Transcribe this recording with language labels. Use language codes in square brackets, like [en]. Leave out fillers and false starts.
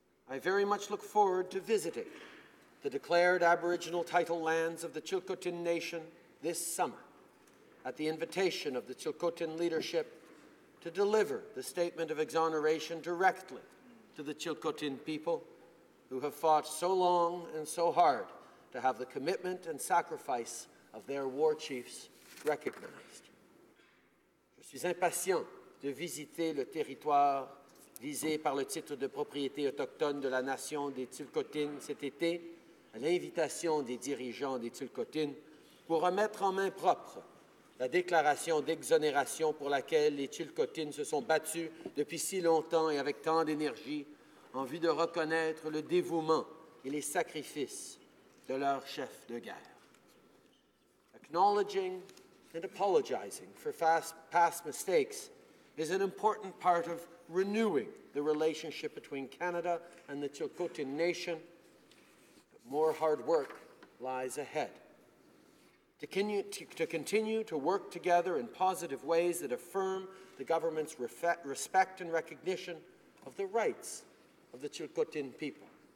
[en] I very much look forward to visiting the declared Aboriginal title lands of the Tsilhqot’in Nation this summer, at the invitation of the Tsilhqot’in leadership to deliver the statement of exoneration directly to the Tsilhqot’in people who have fought so long and so hard to have the commitment and sacrifice of their war chiefs recognized. [fr] Je suis impatient de visiter le territoire visé par le titre de propriété autochtone de la nation des Tsilhqot’in cet été à l'invitation des dirigeants des Tsilhqot’in pour remettre en main propre la déclaration d'exonération pour laquelle les Tsilhqot’in se sont battus depuis si longtemps et avec tant d'énergie en vue de reconnaître le dévouement et les sacrifices de leur chef de guerre. [en] Acknowledging and apologizing for past mistakes is an important part of renewing the relationship between Canada and the Tsilhqot’in nation. But more hard work lies ahead. To continue to work together in positive ways that affirm the government's respect and recognition of the rights of the Tsilhqot’in people.